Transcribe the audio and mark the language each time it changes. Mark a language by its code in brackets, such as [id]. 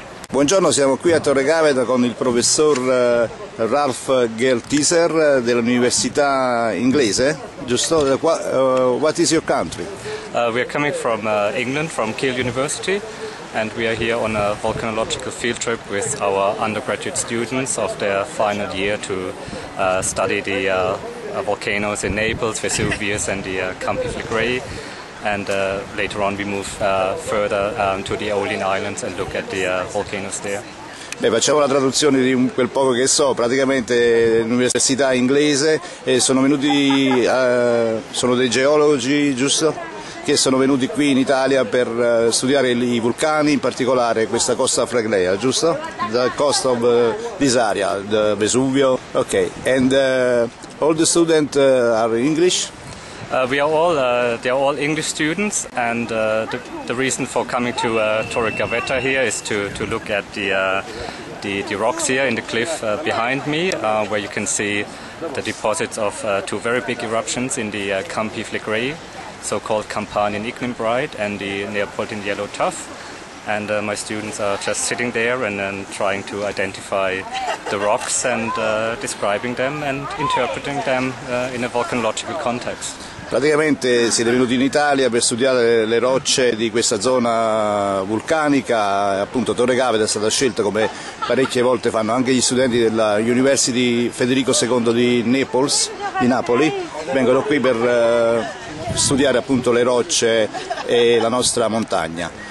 [it] Buongiorno, siamo qui a Torregaveta con il professor Ralph Geltiser dell'università inglese, giusto? [en] What is your country? We are coming from England, from KEELE University, and we are here on a volcanological field trip with our undergraduate students of their final year to study the volcanoes in Naples, Vesuvius and the Campi Flegrei. And later on we move further to the Aeolian Islands and look at the volcanoes there. [it] Beh, facciamo la traduzione di quel poco che so. Praticamente l'università inglese e sono venuti, sono dei geologi, giusto? Che sono venuti qui in Italia per studiare I vulcani, in particolare questa costa flegrea, giusto? [en] The coast of this area, the Vesuvio. Ok, and all the students are English? They are all English students, and the reason for coming to Torregaveta here is to look at the rocks here in the cliff behind me, where you can see the deposits of two very big eruptions in the Campi Flegrei, so-called Campanian Ignimbrite and the Neapolitan Yellow Tuff. And my students are just sitting there and then trying to identify the rocks and describing them and interpreting them in a volcanological context. [it] Praticamente siete venuti in Italia per studiare le rocce di questa zona vulcanica, appunto Torregaveta è stata scelta come parecchie volte fanno anche gli studenti della University Federico II di Naples, di Napoli, vengono qui per studiare appunto le rocce e la nostra montagna.